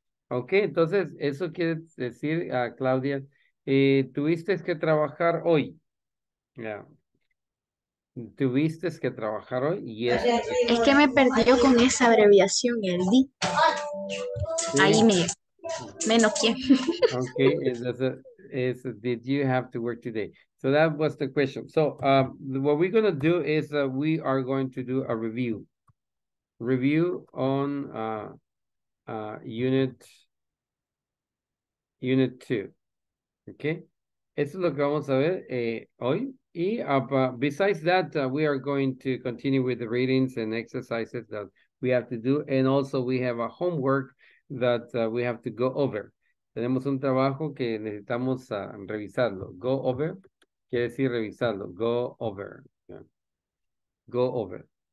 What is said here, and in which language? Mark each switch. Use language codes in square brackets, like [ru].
[es] Okay, entonces, eso quiere decir, Claudia, tuviste que trabajar hoy. Yeah. ¿Tuviste que trabajar hoy? Yes. Es que me perdió con esa abreviación, el D. Sí. Ahí me... Menos quién. [en] Okay, it's a, did you have to work today? So that was the question. So what we're going to do is we are going to do a review. Review on unit 2. Okay? [es] Eso es lo que vamos a ver hoy. [en] Y besides that, we are going to continue with the readings and exercises that we have to do. And also, we have a homework that we have to go over. [es] Tenemos un trabajo que necesitamos revisarlo. [en] Go over, [es] quiere decir revisarlo. [en] Go over. Yeah. Go over.